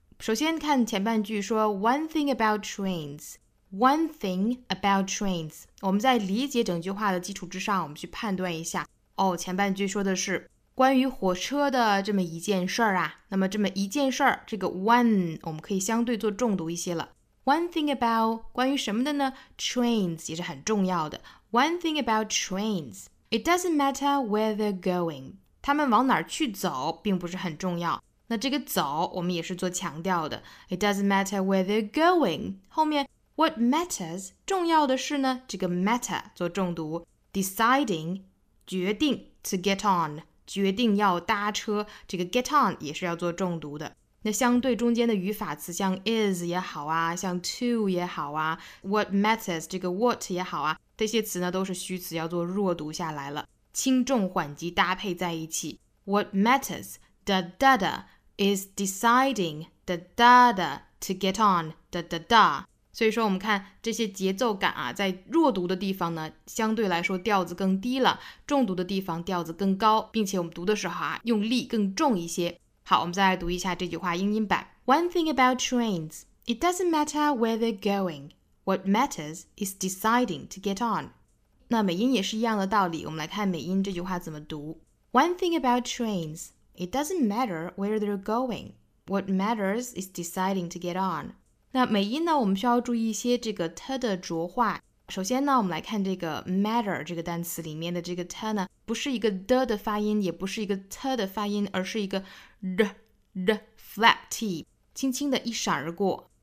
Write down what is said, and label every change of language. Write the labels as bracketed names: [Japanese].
[Chinese] 首先看前半句说 [English] one thing about trains [Chinese] one thing about trains， 我们在理解整句话的基础之上我们去判断一下哦，前半句说的是关于火车的这么一件事儿啊。那么这么一件事儿，这个 one 我们可以相对做重读一些了。 [English] one thing about [Chinese] 关于什么的呢， trains 也是很重要的。 [English] One thing about trains, it doesn't matter where they're going. [Chinese] 他们往哪儿去走并不是很重要。那这个走我们也是做强调的。 [English] It doesn't matter where they're going. [Chinese] 后面 [English] what matters, [Chinese] 重要的是呢，这个 matter 做重读。 Deciding, 决定 [English] to get on, [Chinese] 决定要搭车，这个 get on 也是要做重读的。那相对中间的语法词像 is 也好啊，像 to 也好啊， [English] what matters, [Chinese] 这个 what 也好啊，这些词呢都是虚词，要做弱读下来了，轻重缓急搭配在一起。 [English] What matters, da da da, is deciding, da da da, to get on, da da da. [Chinese] 所以说我们看这些节奏感啊，在弱读的地方呢，相对来说调子更低了，重读的地方调子更高，并且我们读的时候啊，用力更重一些。好，我们再来读一下这句话英音版。 [English] One thing about trains, it doesn't matter where they're going. What matters is deciding to get on. [Chinese] 那美音也是一样的道理，我们来看美音这句话怎么读。 [English] One thing about trains, it doesn't matter where they're going. What matters is deciding to get on. [Chinese] 那美音呢，我们需要注意一些这个 t 的浊化。首先呢，我们来看这个 matter 这个单词里面的这个 t 呢，不是一个 的发音，也不是一个 t 的发音，而是一个 的 flat t， 轻轻的一闪而过。